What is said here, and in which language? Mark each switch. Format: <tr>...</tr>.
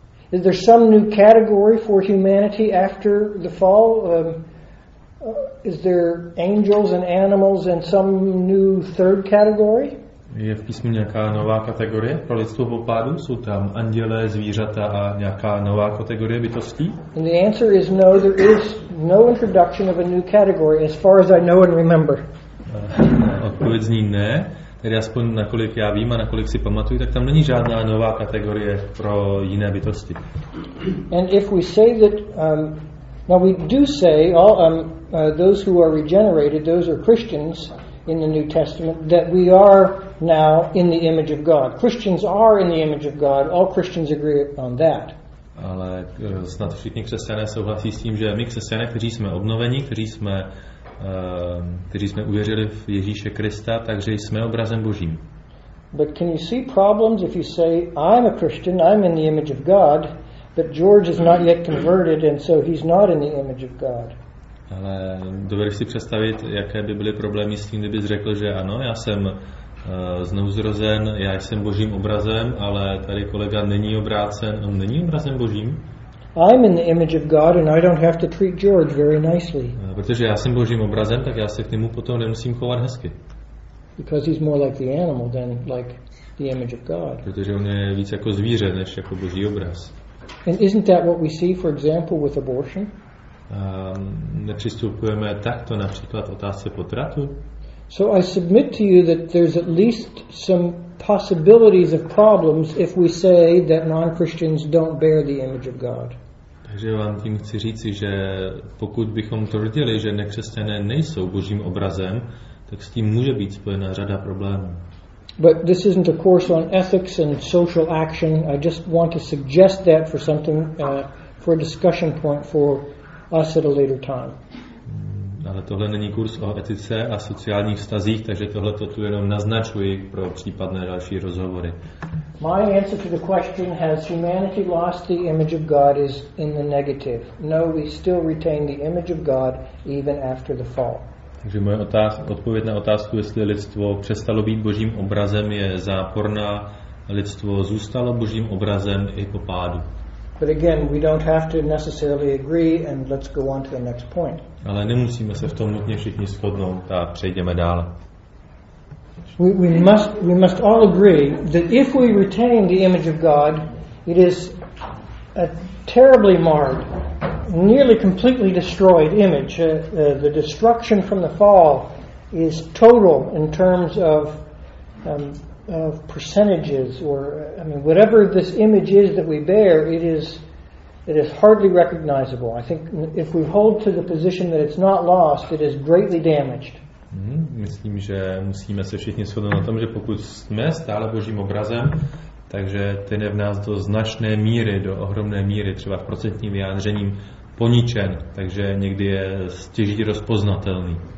<en>Is there some new category for humanity after the fall? Is there angels and animals and some new third category?</en> <cs>Je v písmu nějaká nová kategorie pro lidstvo po pádu? Jsou tam andělé, zvířata a nějaká nová kategorie bytostí?</cs> <en>And the answer is no. There is no introduction of a new category, as far as I know and remember.</en> <cs>Odpověď zní ne. Tedy aspoň nakolik já vím a nakolik si pamatuju, tak tam není žádná nová kategorie pro jiné bytosti.</cs> <en>And if we say that, now we do say all those who are regenerated, those are Christians in the New Testament, that we are now in the image of God. Christians are in the image of God. All Christians agree on that.</en> <cs>Ale snad všichni křesťané souhlasí s tím, že my křesťané, kteří jsme obnoveni, kteří jsme uvěřili v Ježíše Krista, takže jsme obrazem Božím.</cs> <en>But can you see problems if you say I'm a Christian, I'm in the image of God, but George is not yet converted and so he's not in the image of God?</en> <cs>Ale dovedeš si představit, jaké by byly problémy s tím, kdybys řekl, že ano, já jsem znovuzrozen, já jsem Božím obrazem, ale tady kolega není obrácen, on není obrazem Božím?</cs> <en>I'm in the image of God and I don't have to treat George very nicely.</en> <cs>Protože já jsem Božím obrazem, tak já se k němu potom nemusím chovat hezky.</cs> <en>Because he's more like the animal than like the image of God.</en> <cs>Protože on je víc jako zvíře než jako Boží obraz.</cs> <en>And isn't that what we see, for example, with abortion?</en> <cs>Nepřistupujeme takto například otázce potratu?</cs> <en>So I submit to you that there's at least some possibilities of problems if we say that non-Christians don't bear the image of God.</en> <cs>Takže vám tím chci říci, že pokud bychom tvrdili, že nekřesťané nejsou Božím obrazem, tak s tím může být spojena řada problémů.</cs> <en>But this isn't a course on ethics and social action. I just want to suggest that for something for a discussion point for us at a later time.</en> <cs>Ale tohle není kurz o etice a sociálních vztazích, takže tohle to tu jenom naznačuji pro případné další rozhovory.</cs> <en>My answer to the question has humanity lost the image of God is in the negative. No, we still retain the image of God even after the fall.</en> <cs>Takže moje odpověď na otázku, jestli lidstvo přestalo být Božím obrazem, je záporná. Lidstvo zůstalo Božím obrazem i po pádu.</cs> <en>But again, we don't have to necessarily agree and let's go on to the next point.</en> <cs>Ale nemusíme se v tom nutně všichni shodnout a přejdeme dál.</cs> <en>We must all agree that if we retain the image of God, it is a terribly marred, nearly completely destroyed image. The destruction from the fall is total in terms of percentages, or I mean, whatever this image is that we bear, it is hardly recognizable. I think if we hold to the position that it's not lost, it is greatly damaged.</en> <cs>Myslím, že musíme se všichni shodnout na tom, že pokud jsme stále Božím obrazem, takže ten je v nás do značné míry, do ohromné míry, třeba v procentním vyjádřením poničen, takže někdy je stěží rozpoznatelný.</cs>